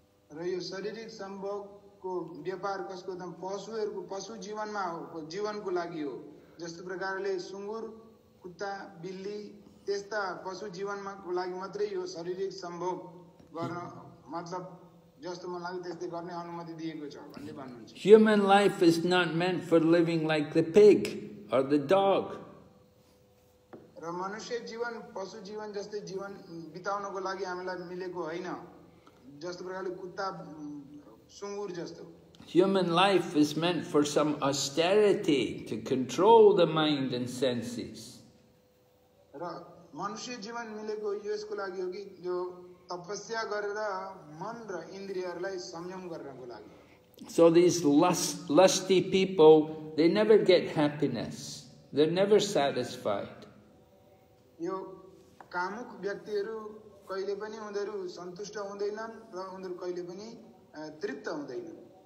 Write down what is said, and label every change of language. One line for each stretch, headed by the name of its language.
Nepali: Ra yo sharirik sambhog ko byapar kasko dam pashu haruko pashu jivan ma ho ko jivan ko lagi ho jasto prakar le sungur kutta billi त्यस्ता पशु जीवनमा को लागि मात्रै यो शारीरिक सम्भोग गर्न मतलब जस्तो मन लाग्यो त्यस्तै गर्ने अनुमति दिएको छ भन्ने भन्नुहुन्छ.
English: Human life is not meant for living like the pig or the dog.
Nepali: र मनुष्य जीवन पशु जीवन जस्तै जीवन बिताउनको लागि हामीलाई मिलेको हैन जस्तो प्रकारले कुत्ता सुंगुर जस्तो.
English: Human life is meant for some austerity to control the mind and senses.
Nepali: मनुष्य जीवन मिलेको यो यसको लागि हो कि जो तपस्या गरेर मन र इन्द्रियहरूलाई संयम गर्नको लागि.
English: So these lusty people, they never get happiness. They're never satisfied.
Nepali: यो कामुक व्यक्तिहरू कहिले पनि उनीहरू सन्तुष्ट हुँदैनन् र उनीहरू कहिले पनि तृप्त हुँदैनन्.